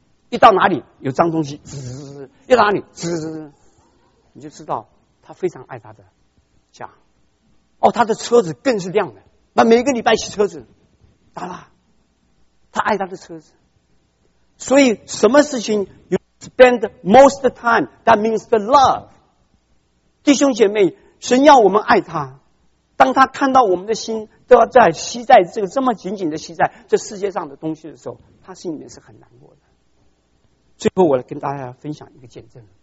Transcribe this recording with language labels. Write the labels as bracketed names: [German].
[Chinese] 一到哪里有脏东西，滋滋滋；一到哪里滋滋滋，你就知道他非常爱他的家。哦，他的车子更是亮的，那每个礼拜洗车子，打蜡。他爱他的车子，所以什么事情有？ [English] Spend most time, that means the love. [Chinese] 弟兄姐妹，神要我们爱他，当他看到我们的心都要在吸在这个这么紧紧的吸在这世界上的东西的时候，他心里面是很难过的。最后我来跟大家分享一个见证。